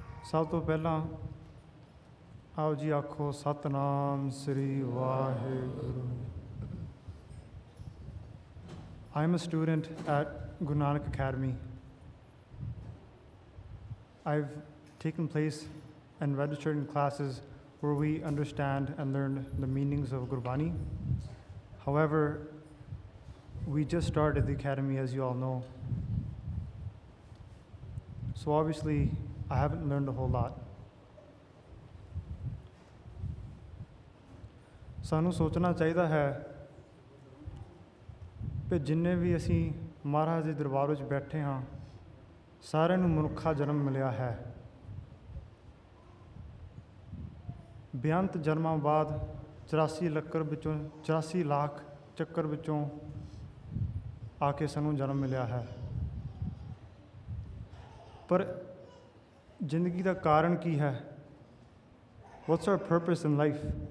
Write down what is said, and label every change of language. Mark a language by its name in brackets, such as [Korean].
[Punjabi] ਸਭ ਤੋਂ ਪਹਿਲਾਂ ਆਓ ਜੀ, ਆਖੋ ਸਤਨਾਮ ਸ੍ਰੀ Waheguru. [English] I am a student at Guru Nanak academy. I've taken place and registered in classes where we understand and learn the meanings of Gurbani. However, we just started the academy, as you all know. So obviously, I haven't learned a whole lot. [Punjabi] Sanu sochna chahida hai ki jinne bhi assi Maharaj de darbar vich baithe haan, ਸਾਰਿਆਂ ਨੂੰ ਮਨੁੱਖਾ ਜਨਮ ਮਿਲਿਆ ਹੈ। ਬੇਅੰਤ ਜਨਮਾਂ ਬਾਅਦ 84 ਲੱਖ ਚੱਕਰ ਵਿੱਚੋਂ ਆ ਕੇ ਸਾਨੂੰ ਜਨਮ ਮਿਲਿਆ ਹੈ। ਪਰ ਜ਼ਿੰਦਗੀ ਦਾ ਕਾਰਨ ਕੀ ਹੈ? [English] What's our purpose in life?